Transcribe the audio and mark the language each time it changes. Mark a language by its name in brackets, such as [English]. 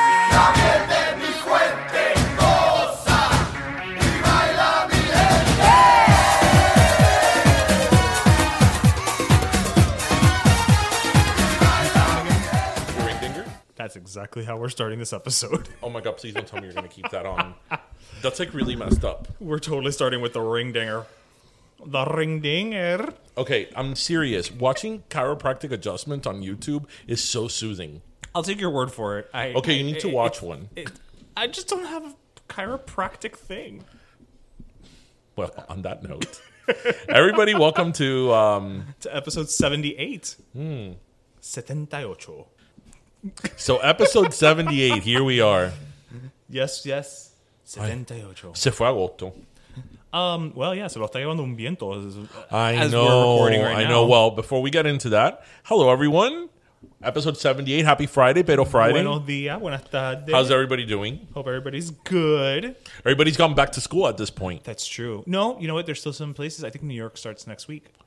[Spanish] Caliente mi fuente, goza y baila mi gente. [English] That's exactly how we're starting this episode. Oh my God, please don't tell me you're going to keep that on. That's like really messed up. We're totally starting with the ring dinger. The ring dinger. Okay, I'm serious. Watching chiropractic adjustment on YouTube is so soothing. I'll take your word for it. You need to watch one. I just don't have a chiropractic thing. Well, on that note, everybody, welcome to... to episode 78. Hmm. 78. So episode 78, here we are. Yes, yes. [Spanish] 78. Se fue agosto. [English] Well, yeah, [Spanish] se lo está llevando un viento. [English] I know. Well, before we get into that, hello, everyone. Episode 78. Happy Friday, Pero Friday. [Spanish] Buenos días. Buenas tardes. [English] How's everybody doing? Hope everybody's good. Everybody's gone back to school at this point. That's true. No, you know what? There's still some places. I think New York starts next week.